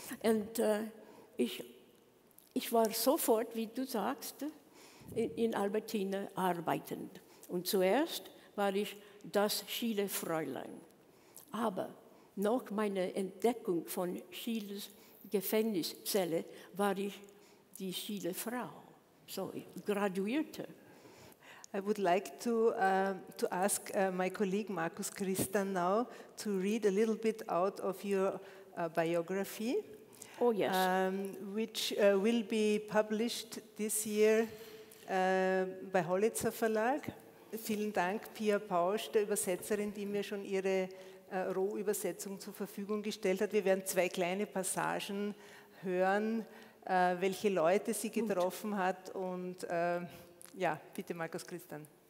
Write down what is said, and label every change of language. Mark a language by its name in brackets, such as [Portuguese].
[German] Und ich war sofort, wie du sagst, in Albertina arbeitend. Und zuerst war ich das Schiele Fräulein. Aber nach meiner Entdeckung von Schieles Gefängniszelle war ich die Schiele Frau. So, graduierte. [English] I would like to ask my colleague Markus Christian now to read a little bit out of your biography. Oh yes. Which will be published this year by Hollitzer Verlag. [German] Vielen Dank, Pia Pausch, der Übersetzerin, die mir schon ihre Rohübersetzung zur Verfügung gestellt hat. Wir werden zwei kleine Passagen hören, welche Leute sie getroffen hat. Und ja, bitte, Markus Christian.